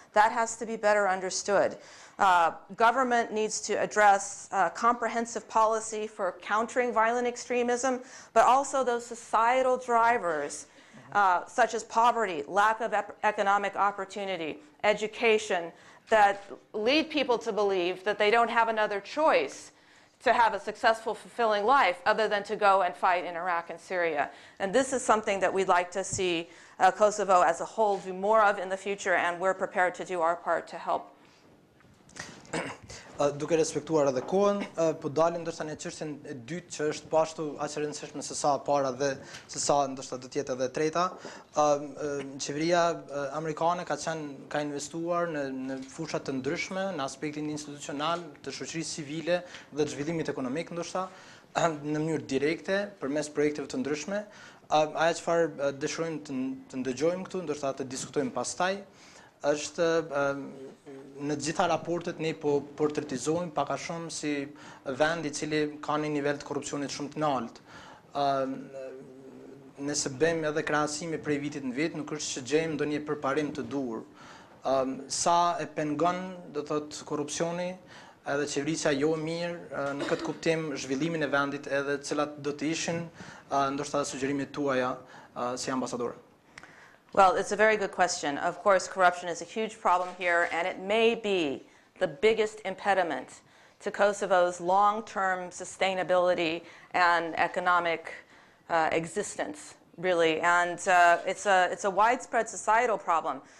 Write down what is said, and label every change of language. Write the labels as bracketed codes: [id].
[en] That has to be better understood. Government needs to address comprehensive policy for countering violent extremism, but also those societal drivers, such as poverty, lack of economic opportunity, education, that lead people to believe that they don't have another choice to have a successful, fulfilling life other than to go and fight in Iraq and Syria. And this is something that we'd like to see Kosovo as a whole do more of in the future, and we're prepared to do our part to help. [sq] Duke respektuar edhe kohën, po dalim ndoshta në çështjen e dytë që është po ashtu aq e rëndësishme se sa para dhe se sa ndoshta do të jetë edhe e treta. Qeveria amerikane ka investuar në fusha të ndryshme, në aspektin institucional, të shoqërisë civile dhe të zhvillimit ekonomik ndoshta në mënyrë direkte përmes projekteve të ndryshme. Aja çfarë dëshirojmë të ndëgjojmë këtu, ndoshta të diskutojmë pastaj, është në gjitha raportet ne po portretizojmë pak a shumë si vend I cili ka një nivel të korrupsionit shumë të lartë. Nëse bëjmë edhe krahasimi prej vitit në vit, nuk është që gjejmë ndonjë përparim të duhur. Sa e pengon, do thotë, korrupsioni edhe qeverisja jo mirë në këtë kuptim zhvillimin e vendit edhe cilat do të ishin ndoshta sugjerimet tuaja si ambasador. [en] Well, it's a very good question. Of course, corruption is a huge problem here, and it may be the biggest impediment to Kosovo's long-term sustainability and economic existence, really. And it's a widespread societal problem.